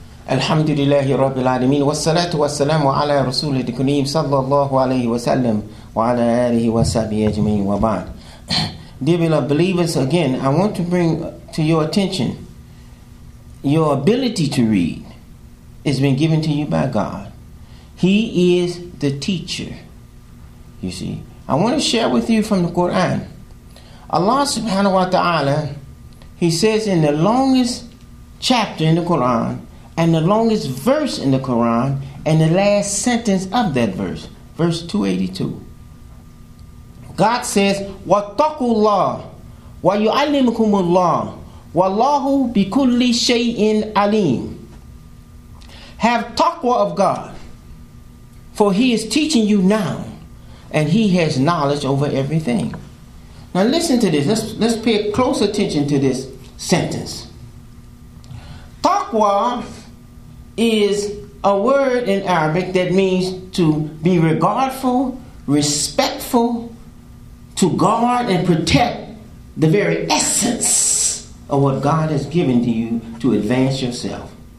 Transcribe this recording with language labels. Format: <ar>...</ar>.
<ar>الحمد لله رب العالمين والصلاة والسلام على رسول الكريم صلى الله عليه وسلم وعلى آله وصحبه أجمعين وبعد.</ar> <en>Dear beloved believers, again, I want to bring to your attention your ability to read has been given to you by God. He is the teacher. You see, I want to share with you from the Quran. Allah subhanahu wa ta'ala, He says in the longest chapter in the Quran, and the longest verse in the Quran, and the last sentence of that verse, verse 282. God says,</en> <ar>وَاتَّقُوا اللَّهِ وَيُعَلِّمُكُمُ اللَّهِ وَاللَّهُ بِكُلِّ شَيْءٍ عَلِيمٍ.</ar> <en>Have taqwa of God, for He is teaching you now, and He has knowledge over everything. Now listen to this. Let's pay close attention to this sentence. Taqwa is a word in Arabic that means to be regardful, respectful, to guard and protect the very essence of what God has given to you to advance yourself.</en>